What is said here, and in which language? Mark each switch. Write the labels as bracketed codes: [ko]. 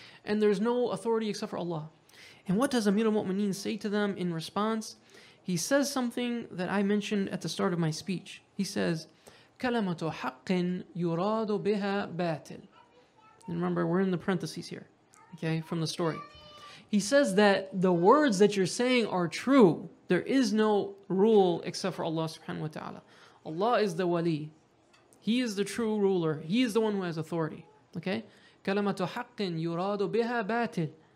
[en] And there's no authority except for Allah. And what does Amir al-Mu'mineen say to them in response? He says something that I mentioned at the start of my speech. He says, [ar] كَلَمَةُ حَقٍ يُرَادُ بِهَا بَاتِلٌ. [en] And remember, we're in the parentheses here, okay, from the story. He says that the words that you're saying are true. There is no rule except for Allah subhanahu wa ta'ala. Allah is the wali. He is the true ruler. He is the one who has authority. Okay? [ar] كَلَمَةُ حَقٍ يُرَادُ بِهَا بَاتِلٌ.